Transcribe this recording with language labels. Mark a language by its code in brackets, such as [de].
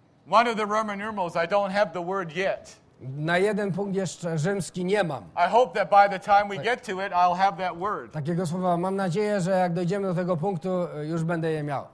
[en] One of the Roman numerals, I don't have the word yet. [pl] Na jeden punkt jeszcze rzymski nie mam. [en] I hope that by the time we get to it, I'll have that word. [pl] Takiego słowa mam nadzieję, że jak dojdziemy do tego punktu, już będę je miał.